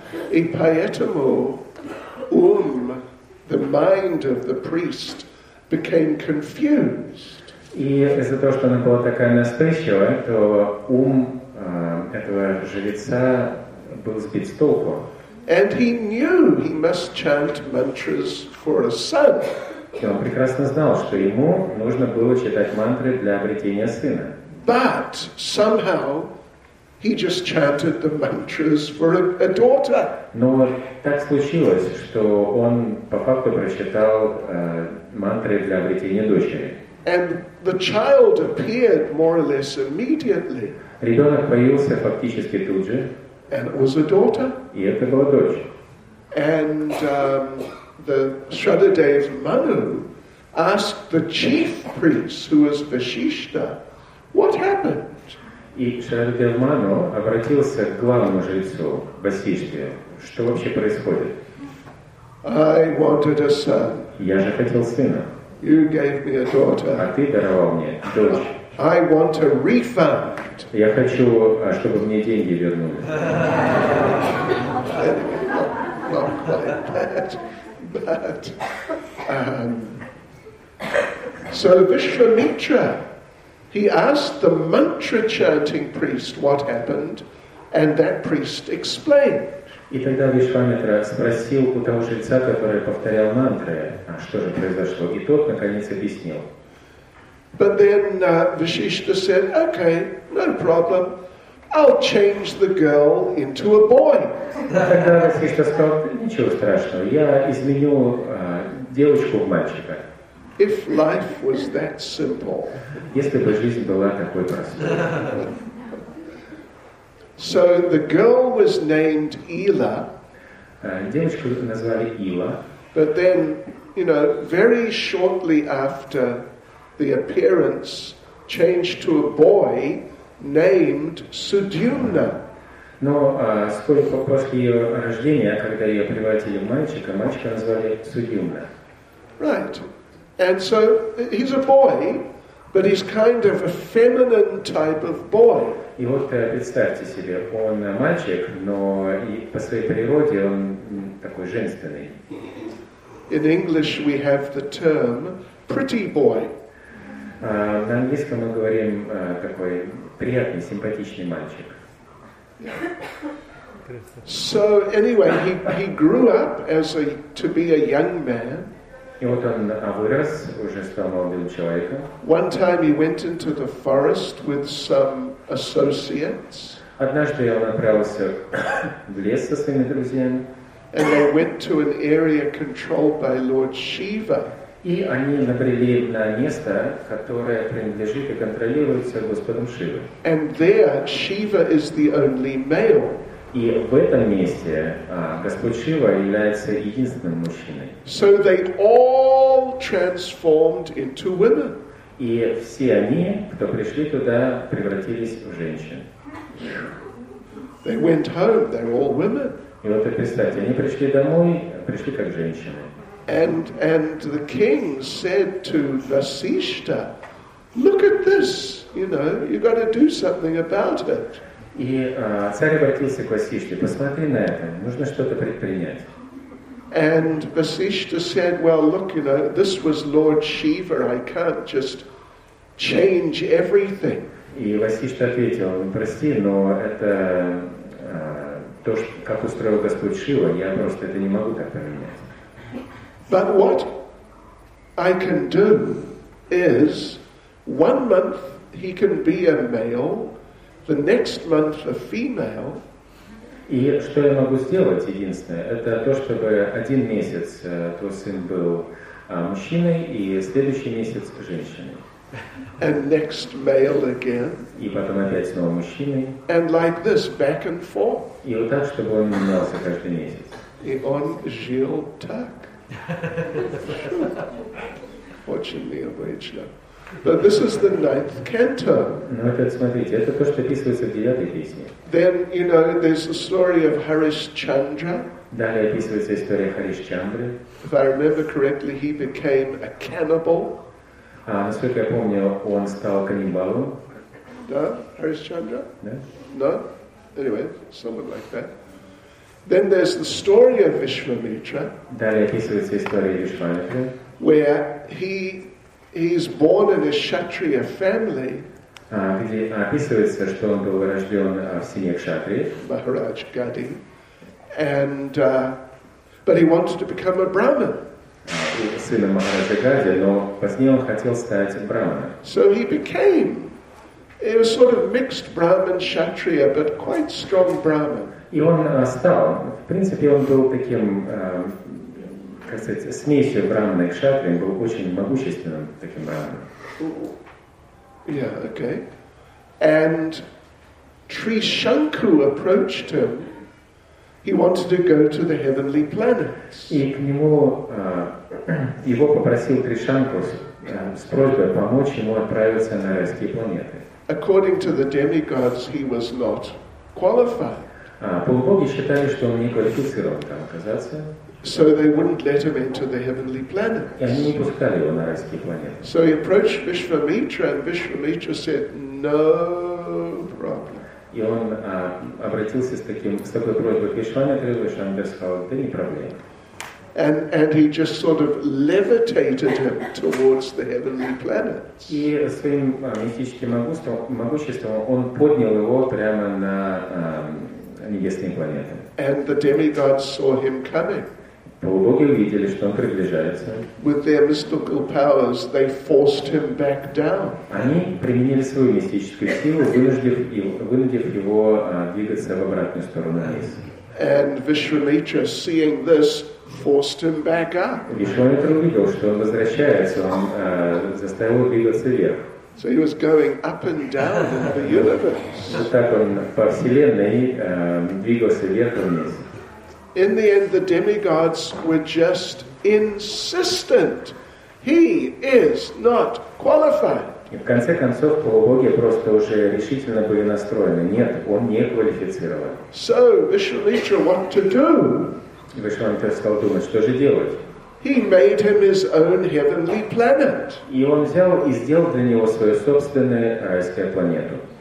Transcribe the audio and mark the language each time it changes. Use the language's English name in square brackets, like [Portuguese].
[Russian] И поэтому [English] the mind of the priest became confused. [Russian] И из-за того, что она была такая настойчивая, то этого жреца был сбит с толку. [English] And he knew he must chant mantras for a son. [Russian] И он прекрасно знал, что ему нужно было читать мантры для обретения сына. [English] But somehow he just chanted the mantras for a daughter. [Russian] Но так случилось, что он по факту прочитал мантры для обретения дочери. [English] And the child appeared more or less immediately. [Russian] Ребенок появился фактически тут же. [English] And it was a daughter. [Russian] И это была дочь. [English] And the Shraddhadev Manu asked the chief priest, who was Vasishta, what happened? [Russian] И Шрадхадев Ману обратился к главному жрецу Васиште. Что вообще происходит? [English] I wanted a son. [Russian] Я же хотел сына. [English] You gave me a daughter. [Russian] А ты даровал мне дочь. [English] I want a refund. [Russian] Я хочу, чтобы мне деньги вернули. [English] Not quite that. But, so Vishvamitra, he asked the mantra chanting priest what happened, and that priest explained. [Russian] И тогда Вишвамитра спросил у того жреца, который повторял мантры, что же произошло, и тот наконец объяснил. [English] But then Vasishtha said, okay, no problem. I'll change the girl into a boy. [Russian] Тогда Vasishtha сказал, ничего страшного, я изменю девочку в мальчика. [English] If life was that simple. [Russian] Если бы жизнь была такой простой. [English] So the girl was named Ila. [Russian] Девочку назвали Ила. [English] But then, you know, very shortly after the appearance changed to a boy named Sudyumna. [Russian] Но сколько после ее рождения, когда ее превратили в мальчика, мальчика назвали Судьюмна. [English] Right. And so he's a boy, but he's kind of a feminine type of boy. [Russian] И вот представьте себе, он мальчик, но и по своей природе он такой женственный. [English] In English we have the term pretty boy. [Russian] На английском мы говорим такой приятный, симпатичный мальчик. [English] So anyway, he grew up as a to be a young man. [Russian] И вот он вырос, уже стал молодым человеком. [English] One time he went into the forest with some associates. [Russian] Однажды он отправился в лес со своими друзьями. [English] And they went to an area controlled by Lord Shiva. [Russian] И они набрели на место, которое принадлежит и контролируется Господом Шивой. [English] And there Shiva is the only male. [Russian] И в этом месте Господь Шива является единственным мужчиной. [English] So they all transformed into women. [Russian] И все они, кто пришли туда, превратились в женщин. [English] They went home, they're all women. [Russian] И вот представьте, они пришли домой, пришли как женщины. [English] And the king said to Vasishta, look at this, you know, you got to do something about it. [Russian] И царь обратился к Васиште, посмотри на это, нужно что-то предпринять. [English] And Vasishta said, well, look, you know, this was Lord Shiva, I can't just change everything. [Russian] И Васиште ответил, прости, но это то, как устроил Господь Шива, я просто это не могу так поменять. [English] But what I can do is, one month he can be a male, the next month a female. [Russian] И что я могу сделать единственное, это то, чтобы один месяц твой сын был мужчиной, и следующий месяц женщиной. [English] And next male again. [Russian] И потом опять снова мужчиной. [English] And like this, back and forth. [Russian] И вот так, чтобы он менялся каждый месяц. И он жил так. Очень необычно. [English] But this is the ninth canto. [Russian] Ну, опять смотрите, это то, что описывается в девятой песне. [English] Then, you know, there's the story of Harishchandra. [Russian] Далее описывается история Харишчандры. [English] If I remember correctly, he became a cannibal. [Russian] А, насколько я помню, он стал каннибалом. Да, Harishchandra? Да. [English] No? Anyway, someone like that. Then there's the story of Vishvamitra. [Russian] Далее описывается история Вишвамитры. [English] Where he... He's born in a Kshatriya family. [Russian] Где описывается, что он был рожден в семье Кшатрии. [English] Maharaj Gadi. And, but he wanted to become a Brahmin. [Russian] Сыном Махараджа Гади, но позднее он хотел стать Брахманом. [English] So he became. He was sort of mixed Brahmin Kshatriya, but quite strong Brahmin. [Russian] И он стал. В принципе, он был таким... как сказать, смесью брахмана и кшатрии, был очень могущественным таким брахманом. [English] Yeah, okay. And Trishanku approached him. He wanted to go to the heavenly planets. [Russian] И к нему его попросил Кришанку с просьбой помочь ему отправиться на райские планеты. [English] According to the demigods, he was not qualified. [Russian] Полубоги считали, что он не квалифицирован там оказаться. [English] So they wouldn't let him into the heavenly planets. [Russian] И они не пускали его на райские планеты. [English] So he approached Vishvamitra, and Vishvamitra said, "No problem." [Russian] И он обратился с такой просьбой к Вишванатре, и Вишванатра сказал, это не проблема. [English] And he just sort of levitated him towards the heavenly planets. [Russian] И своим мистическим могуществом он поднял его прямо на небесные планеты. [English] And the demigods saw him coming. [Russian] Полубоги увидели, что он приближается. [English] With their mystical powers, they forced him back down. [Russian] Они применили свою мистическую силу, вынудив его двигаться в обратную сторону вниз. [English] And Vishvamitra, seeing this, forced him back up. [Russian] Вишванатра увидел, что он возвращается, он заставил его двигаться вверх. [English] So he was going up and down in the universe. [Russian] Вот так он по вселенной двигался вверх и вниз. [English] In the end, the demigods were just insistent. He is not qualified. [Russian] В конце концов, полубоги просто уже решительно были настроены. Нет, он не квалифицирован. So, Vishvamitra, what to do? Вишванатра стал думать, что же делать? He made him his own heavenly planet. И он взял и сделал для него свою собственную райскую планету.